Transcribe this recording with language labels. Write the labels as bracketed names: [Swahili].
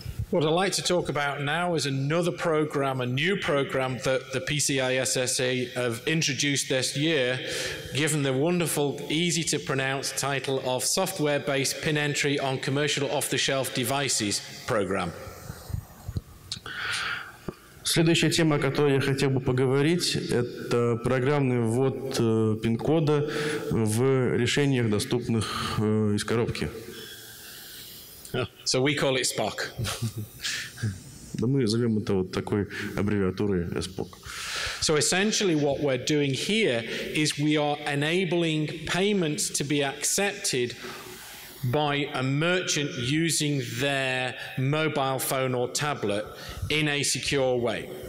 [English] What I'd like to talk about now is another program, a new program that the PCI SSC have introduced this year, given the wonderful, easy to pronounce title of Software-Based PIN Entry on Commercial Off-the-Shelf Devices program. [Russian] Следующая тема, о которой я хотел бы поговорить, это программный ввод пин-кода в решениях, доступных из коробки. [English] So we call it SPOC. [Russian] Да мы зовем это вот такой аббревиатурой SPOC. [English] So essentially what we're doing here is we are enabling payments to be accepted by a merchant using their mobile phone or tablet in a secure way.